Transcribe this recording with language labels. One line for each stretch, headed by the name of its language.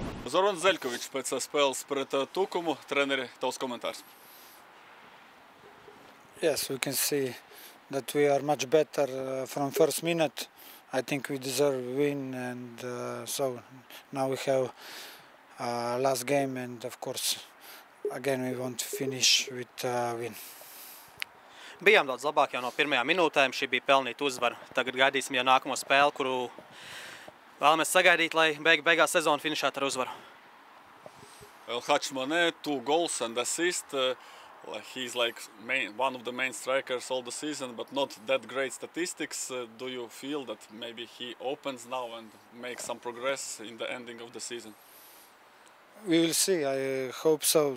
Latvian: Zorans Zeļkovičs pēc spēles pret Tukumu. Treneri, tavs komentārs.
English: Yes, we can see that we are much better from first minute. I think we deserve win and so now we have last game and of course again we want to finish with win.
Latvian: Bijām daudz labāk jau no pirmajām minūtēm, šī bija pelnīta uzvara. Tagad gaidīsim jau nākamo spēli, kuru vēlamies sagaidīt, lai beigā sezonu finišētu ar uzvaru.
English: El Hachmane, 2 goals and assist. He's like one of the main strikers all the season, but not that great statistics. Do you feel that maybe he opens now and makes some progress in the ending of the season? We will see. I hope so.